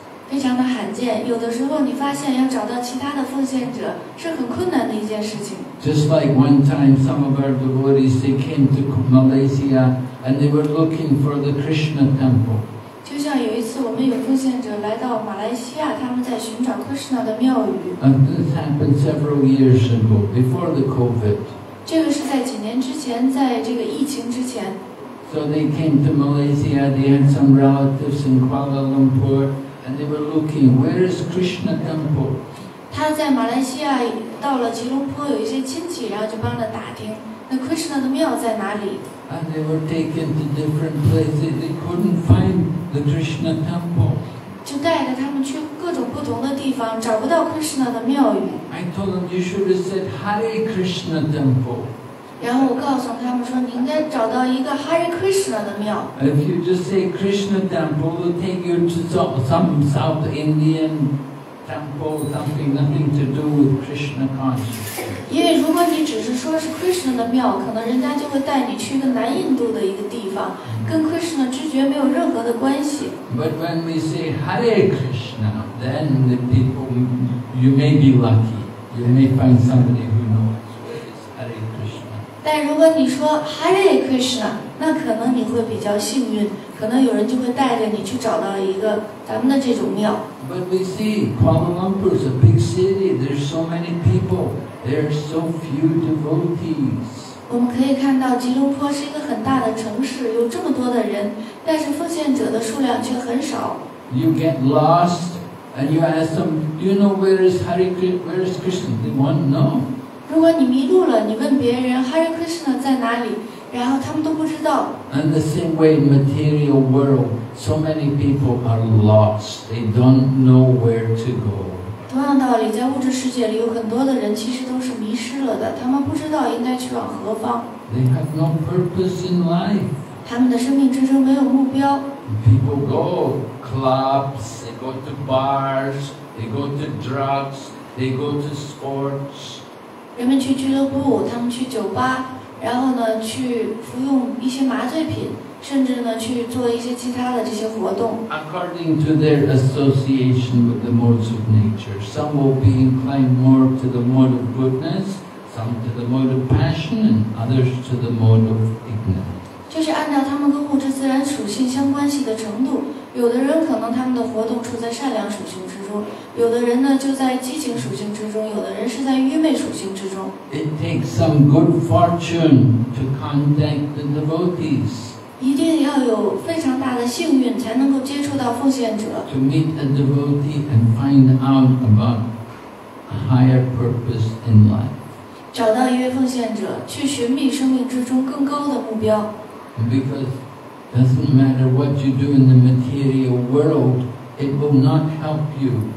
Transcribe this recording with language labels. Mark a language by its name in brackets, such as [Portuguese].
[Chinese] 非常的罕见，有的时候你发现要找到其他的奉献者是很困难的一件事情。 [English] Just like one time some of our devotees, they came to Malaysia and they were looking for the Krishna temple. [Chinese] 就像有一次我们有奉献者来到马来西亚，他们在寻找 Krishna 的庙宇。 [English] And this happened several years ago, before the COVID. [Chinese] 这个是在几年之前，在这个疫情之前。 [English] So they came to Malaysia, they had some relatives in Kuala Lumpur, and they were looking, where is Krishna temple? [Chinese] 他在马来西亚到了吉隆坡，有一些亲戚，然后就帮着打听那 Krishna 的庙在哪里。 [English] And they were taken to different places. They couldn't find the Krishna temple. [Chinese] 就带着他们去各种不同的地方，找不到 Krishna 的庙宇。 [English] I told them you should have said Hare Krishna temple. [Chinese] 然后我告诉他们说，你应该找到一个 Hare Krishna 的庙。 [English] If you just say Krishna temple, they'll take you to some South Indian. Temple, nothing to do with Krishna consciousness. [Chinese] 因为如果你只是说是 Krishna 的庙，可能人家就会带你去一个南印度的一个地方，跟 Krishna 知觉没有任何的关系。 [English] But when we say Hare Krishna, then the people, you may be lucky. You may find somebody who knows where is Hare Krishna. [Chinese] 但如果你说 Hare Krishna, 那可能你会比较幸运。可能有人就会带着你去找到一个咱们的这种庙。 [English] But we see Kuala Lumpur is a big city. There's so many people. There are so few devotees. [Chinese] 我们可以看到吉隆坡是一个很大的城市，有这么多的人，但是奉献者的数量却很少。 [English] You get lost and you ask them, "Do you know where is Hare Krishna? Where is Krishna?" They want to know. [Chinese] 如果你迷路了，你问别人 Hare Krishna 在哪里？然后他们都不知道。 [English] And the same way in material world, so many people are lost. They don't know where to go. [Chinese] 同样道理，在物质世界里，有很多的人其实都是迷失了的，他们不知道应该去往何方。 [English] They have no purpose in life. [Chinese] 他们的生命之中没有目标。 [English] People go clubs, they go to bars, they go to drugs, they go to sports. [Chinese] 人们去俱乐部，他们去酒吧。然后呢，去服用一些麻醉品，甚至呢，去做一些其他的这些活动。 [English] According to their association with the modes of nature, some will be inclined more to the mode of goodness, some to the mode of passion, and others to the mode of ignorance. [Chinese] 就是按照他们跟物质自然属性相关系的程度，有的人可能他们的活动处在善良属性之中，有的人呢就在激情属性之中，有的人是在愚昧属性之中。 [English] It takes some good fortune to contact the devotees. [Chinese] 一定要有非常大的幸运才能够接触到奉献者。 [English] To meet a devotee and find out about a higher purpose in life. [Chinese] 找到一位奉献者，去寻觅生命之中更高的目标。 [English] Because doesn't matter what you do in the material world, it will not help you.